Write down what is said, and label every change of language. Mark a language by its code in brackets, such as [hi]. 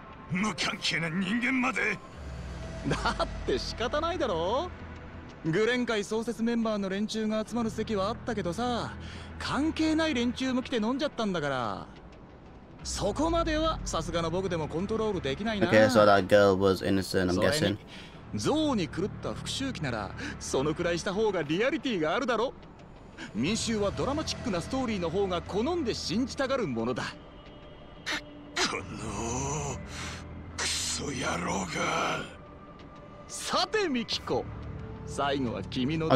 [ja] 無関係な人間まで。だって仕方ないだろ。グレン会創設メンバーの連中が集まる席はあったけどさ、関係ない連中も来て飲んじゃったんだから、そこまではさすがの僕でもコントロールできないな。 [en] Okay, so that girl was innocent, I'm guessing. [ja] ゾウに狂った復讐期ならそのくらいした方がリアリティがあるだろ。民衆はドラマチックなストーリーの方が好んで信じたがるものだ。このクソ野郎が。さてミキコ、最後は君の